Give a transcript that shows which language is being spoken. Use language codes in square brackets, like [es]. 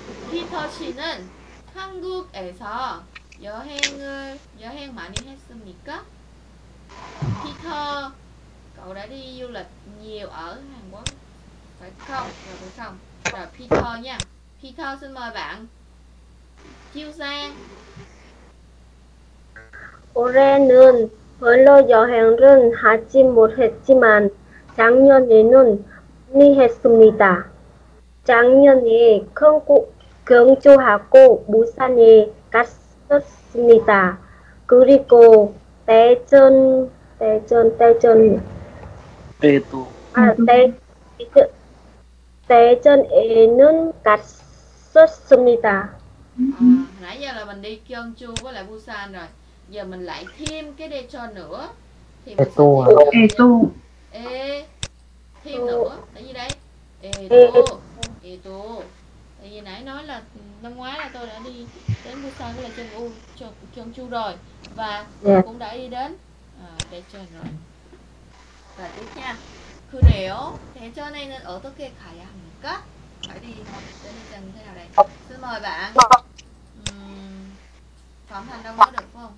[ko] Hitoshi는 한국에서 여행 많이 했습니까? [vi] Peter, cậu đã đi du lịch nhiều ở Hàn Quốc phải không? Rồi phải không? Rồi Peter nha. Peter xin mời bạn. Chiêu Giang. [ko] 올해는 별로 여행은 하지 못했지만 작년에는 많이 했습니다. 작년에 경주하고 부산에 갔었습니다. 그리고 대전에는 갔었습니다. [vi] Nãy giờ là mình đi Gyeongju với lại Busan rồi, giờ mình lại thêm cái Daejeon nữa. Eto. Eto. E. Thêm nữa. Tại vì đấy. Eto. Eto. Tại vì nãy nói là năm ngoái là tôi đã đi đến Busan với lại Gyeongju rồi và cũng đã đi đến Daejeon rồi. Rồi tiếp nha. [ko] 그래요. 대전에는 어떻게 가야 합니까? [vi] Phải đi đến Daejeon thế nào đây? Xin mời bạn. Phạm Thành đâu có được phải không?